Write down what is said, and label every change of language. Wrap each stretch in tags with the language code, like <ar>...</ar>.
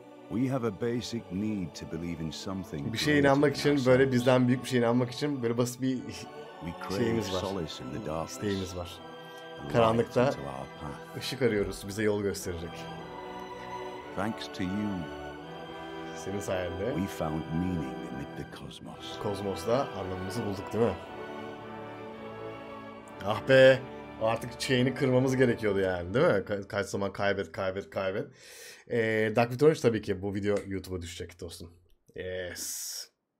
<en>We have a basic need to believe in something.</en> <tr>Bir şeye inanmak için, böyle bizden büyük bir şeye inanmak için böyle basit bir şeyimiz var. İsteğimiz var. Karanlıkta ışık arıyoruz, bize yol gösterecek.</tr> <en>Thanks to you.</en> <tr>Senin sayende.</tr> <en>We found meaning in the cosmos.</en> <tr>Kozmos'ta anlamımızı bulduk, değil mi? Ah be, artık chain'i kırmamız gerekiyordu yani, değil mi? Kaç zaman kaybet, kaybet, kaybet. Dark Victorious tabii ki bu video YouTube'a düşecek dostum.</tr> <en>Yes.</en>